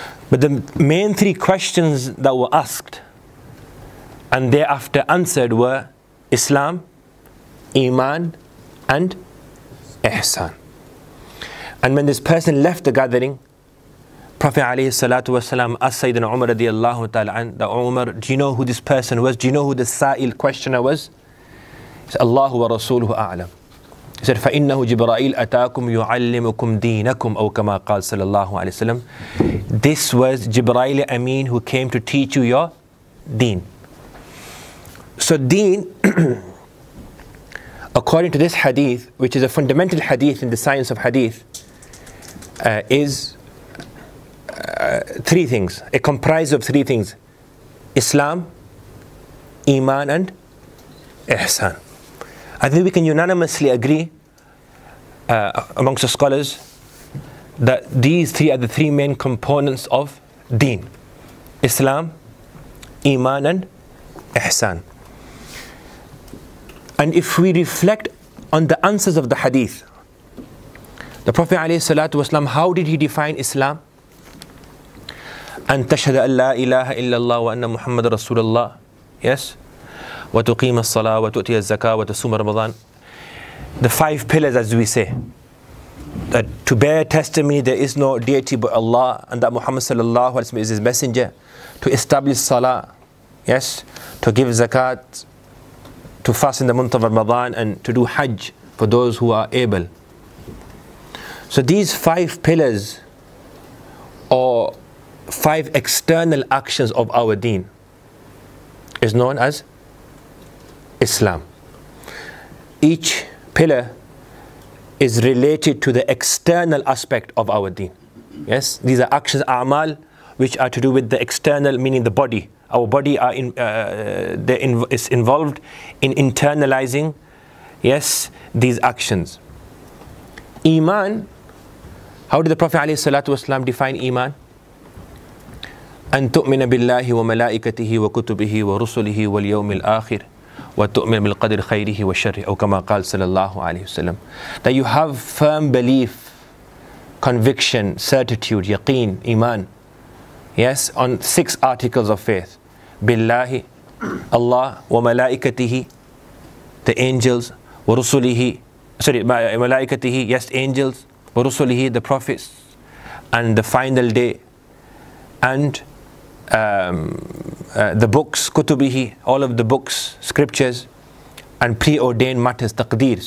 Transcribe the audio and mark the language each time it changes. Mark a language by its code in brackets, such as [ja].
[en] But the main three questions that were asked and thereafter answered were Islam, Iman, and Ihsan. And when this person left the gathering, Prophet alayhi salatu wasalam asked Sayyidina Umar radiallahu ta'ala an, that Umar, do you know who this person was? Do you know who the sa'il questioner was? He said, Allahu wa rasuluhu a'lam. He said, [ar] فَإِنَّهُ جِبْرَائِيلَ أَتَاكُمْ يُعَلِّمُكُمْ دِينَكُمْ أَوْ كَمَا قَالَ صَلَى اللَّهُ عَلَيْهِ وَسَلَّمْ. [en] This was Jibreel Amin who came to teach you your deen. So deen, according to this hadith, which is a fundamental hadith in the science of hadith, is three things. It comprises of three things: Islam, Iman, and Ihsan. I think we can unanimously agree amongst the scholars that these three are the three main components of Deen: Islam, Iman, and Ihsan. And if we reflect on the answers of the hadith, the Prophet ﷺ, how did he define Islam? [ar] أن تشهد أن لا إله إلا الله وأن محمد رسول الله. [en] Yes. [ar] وتقيم الصلاة وتؤتي الزكاة وتصوم رمضان. [en] The five pillars, as we say, that to bear testimony there is no deity but Allah, and that Muhammad sallallahu alaihi wasallam is His messenger. To establish salah, yes. To give zakat. To fast in the month of Ramadan and to do Hajj for those who are able. So these five pillars, or five external actions of our Deen, is known as Islam. Each pillar is related to the external aspect of our Deen. Yes, these are actions, a'mal, which are to do with the external, meaning the body. Our body are in, is involved in internalizing, yes, these actions. Iman, how did the Prophet ﷺ define Iman? [ar] أن تؤمن بالله وملائكته وكتبه ورسله واليوم الآخر وتؤمن بالقدر خيره وشره أو كما قال صلى الله عليه وسلم. [en] That you have firm belief, conviction, certitude, yaqeen, iman. Yes, on six articles of faith. بالله, Allah, وملائكته, the angels, ورسله, sorry, ملائكته, yes, angels, ورسله, the prophets, and the final day, and the books, kutubihi, all of the books, scriptures, and preordained matters, taqdeer.